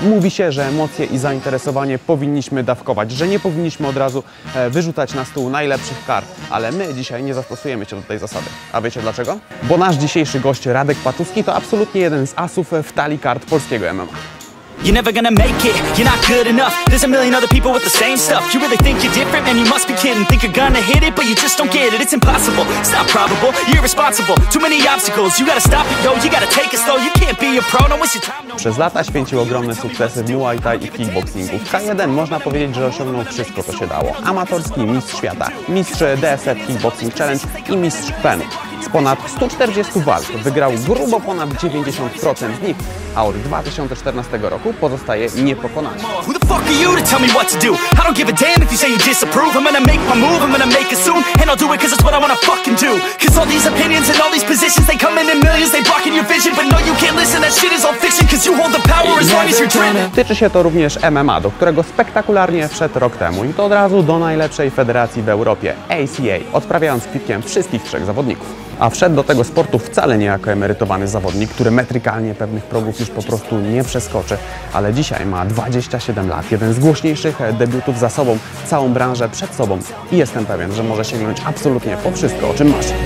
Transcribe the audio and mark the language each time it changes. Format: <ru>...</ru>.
<pl>Mówi się, że emocje i zainteresowanie powinniśmy dawkować, że nie powinniśmy od razu wyrzucać na stół najlepszych kart, ale my dzisiaj nie zastosujemy się do tej zasady. A wiecie dlaczego? Bo nasz dzisiejszy gość Radek Patuski to absolutnie jeden z asów w talii kart polskiego MMA.</pl> <en>You're never gonna make it, you're not good enough. There's a million other people with the same stuff. You really think you're different, man, you must be kidding. Think you're gonna hit it, but you just don't get it. It's impossible, it's not probable, you're irresponsible. Too many obstacles, you gotta stop it, yo. You gotta take it slow, you can't be a pro. No, waste your time, no.</en> <pl>Przez lata święcił ogromne sukcesy w Muay Thai i kickboxingu. W K1 można powiedzieć, że osiągnął wszystko, co się dało. Amatorski mistrz świata, mistrz DSF Kickboxing Challenge i mistrz PEN. Z ponad 140 walk wygrał grubo ponad 90% z nich, a od 2014 roku pozostaje niepokonany.</pl> <en>Who the fuck are you to tell me what to do? I don't give a damn if you say you disapprove. I'm gonna make my move, I'm gonna make it soon. And I'll do it cause it's what I wanna fucking do. Cause all these opinions and all these positions, they come in millions, they blocking your vision. But no, you can't listen, that shit is all fiction. Cause you hold the power as long as you're dreaming.</en> <pl>Tyczy się to również MMA, do którego spektakularnie wszedł rok temu. I to od razu do najlepszej federacji w Europie, ACA, odprawiając kwitkiem wszystkich trzech zawodników. A wszedł do tego sportu wcale nie jako emerytowany zawodnik, który metrykalnie pewnych progów już po prostu nie przeskoczy, ale dzisiaj ma 27 lat, jeden z głośniejszych debiutów za sobą, całą branżę przed sobą i jestem pewien, że może sięgnąć absolutnie po wszystko, o czym masz.</pl>